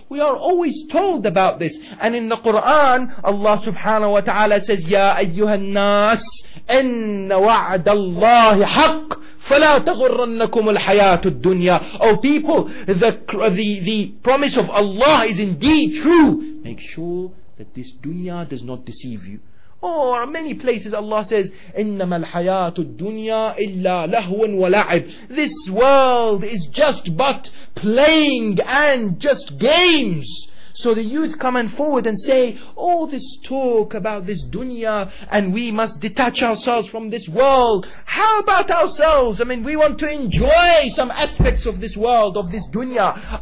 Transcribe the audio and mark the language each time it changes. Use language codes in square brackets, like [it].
[en] We are always told about this, and in the Quran Allah subhanahu wa ta'ala says, [ar] ya ayyuhan nas, إِنَّ وَعْدَ اللَّهِ حَقٌّ فَلَا تَغُرَّنَّكُمُ الْحَيَاةُ الدُّنْيَا. [en] Oh people, the promise of Allah is indeed true. Make sure that this dunya does not deceive you. Or many places Allah says, [ar] إِنَّمَا الْحَيَاةُ الدُّنْيَا إِلَّا لَهْوًا وَلَعِبٌ. [en] This world is just but playing and just games. So the youth come and forward and say, all this talk about this dunya and we must detach ourselves from this world. How about ourselves? I mean, we want to enjoy some aspects of this world, of this dunya.